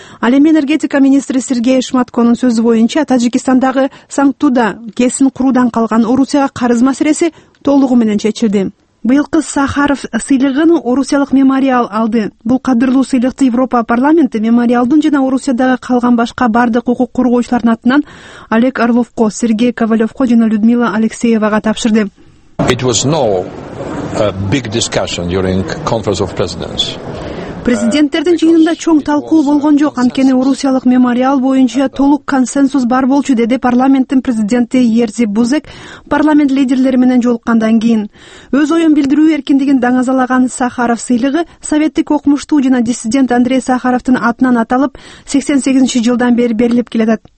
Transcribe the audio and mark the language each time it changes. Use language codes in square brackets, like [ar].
[ky] Ал эми энергетика министри Сергей Шматконун сөзү боюнча Таджикистандагы Санктуда кесин куруудан калган Орусияга карыз маселеси толугу менен чечилди. Быйылкы Сахаров сыйлыгын орусиялык мемориал алды. Бул кадырлуу сыйлыкты Европа парламенти мемориалдын жана Орусиядагы калган башка бардык укук коргоочулардын атынан Олег Орловко, Сергей Ковалевко жана Людмила Алексеевага тапшырды. [en] It was no big discussion during conference of presidents. [ky] Президенттердин жыйынында чоң талкуу болгон жок, анткени орусиялык мемориал боюнча толук консенсус бар болчу, деди парламенттин президенти Ерзи Бузек парламент лидерлери менен жолуккандан кийин. Өз оюн билдирүү эркиндигин даңазалаган Сахаров сыйлыгы советтик окумуштуу жана диссидент Андрей Сахаровдун атынан аталып 88-жылдан бери берилип келатат.